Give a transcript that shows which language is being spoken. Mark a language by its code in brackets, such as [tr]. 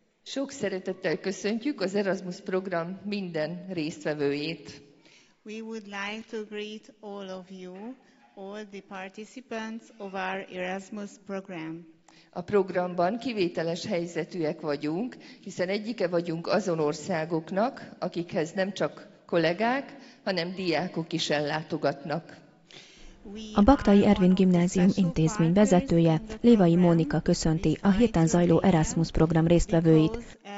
[hu] Sok szeretettel köszöntjük az Erasmus program minden résztvevőjét. [en] We would like to greet all of you, all the participants of our Erasmus program. [hu] A programban kivételes helyzetűek vagyunk, hiszen egyike vagyunk azon országoknak, akikhez nem csak kollégák, hanem diákok is ellátogatnak. A Baktai Ervin Gimnázium intézmény vezetője, Lévai Mónika köszönti a héten zajló Erasmus program résztvevőit.